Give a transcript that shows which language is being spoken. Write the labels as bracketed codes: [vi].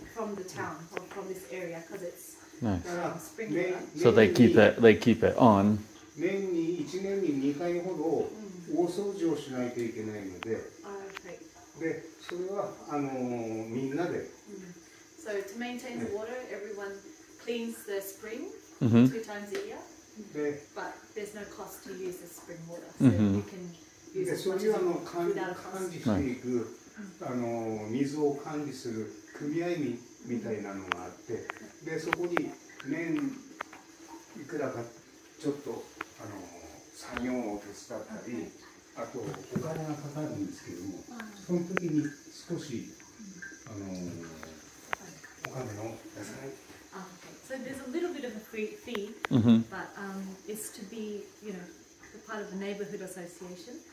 [en] From the town or from this area, because it's nice. So they keep it on. [ja] 年に1年に2回ほど大掃除をしないといけないので、でそれはみんなで。 [en] So to maintain the water, everyone cleans the spring two times a year. But there's no cost to use the spring water, so mm-hmm. you can use it without a cost. [ja] 組合みたいなのがあって、でそこに年いくらかちょっとあの作業を手伝ったり、あとお金がかかるんですけども、その時に少しあのお金を出さない。 [en] So there's a little bit of a free fee, but it's to be, you know, the part of the neighborhood association.